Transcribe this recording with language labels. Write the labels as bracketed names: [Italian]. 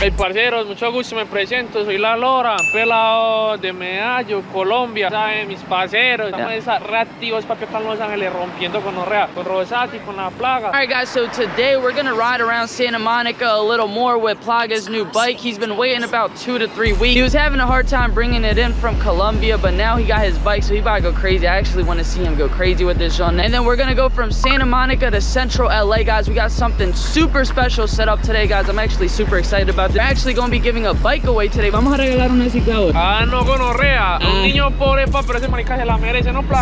[Spanish] Hey, parceros, mucho gusto, me presento, soy la Lora, pelado de Medallo, Colombia, ¿saben? Mis parceros, estamos reactivos, papi, acá en Los Ángeles, rompiendo con Orrea, con Rozaati, con La Plaga. [English] Alright guys, so today we're gonna ride around Santa Monica a little more with Plaga's new bike. He's been waiting about 2 to 3 weeks. He was having a hard time bringing it in from Colombia, but now he got his bike, so he about to go crazy. I actually want to see him go crazy with this one. And then we're gonna go from Santa Monica to Central LA, guys. We got something super special set up today, guys. I'm actually super excited about it. They're actually going to be giving a bike away today. [Spanish] Vamos a regalar una ciclador. Ah, no, gonorrea. Un niño pobre, pa, pero ese marica se la merece, ¿no, Plaga?